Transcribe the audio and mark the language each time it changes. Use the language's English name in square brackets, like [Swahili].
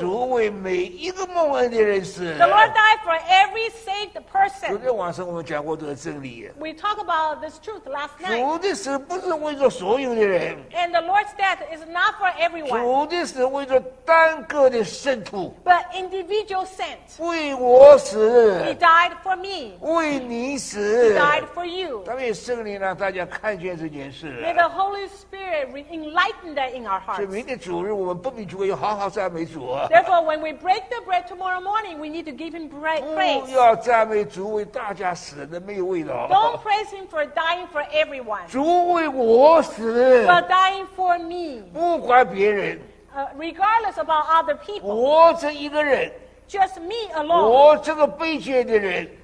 [Chinese] 主为每一个蒙恩的人死。 [English] The Lord died for every saved person. [Chinese] 昨天晚上我们讲过这个真理。 [English] We talk about this truth last night. [Chinese] 主的死不是为着所有的人。 [English] And the Lord's death is not for everyone. [Chinese] 主的死为着单个的圣徒。 [English] But individual saints. [Chinese] 为我死。 [English] He died for me. [Chinese] 为你死。 [English] He died for you. [Chinese] 但愿圣灵让大家看见这件事。 [English] May the Holy Spirit enlighten that in our hearts. [Chinese] 所以明天主日我们不免就会好好赞美主。 [English] Therefore, when we break the bread tomorrow morning, we need to give him praise. [Chinese] 不要赞美主为大家死的没有味道。 [English] Don't praise him for dying for everyone. [Chinese] 主为我死。 [English] But dying for me. [Chinese] 不管别人。 [English] Regardless about other people. [Chinese] 我这一个人。 [English] Just me alone. [Chinese] 我这个卑贱的人。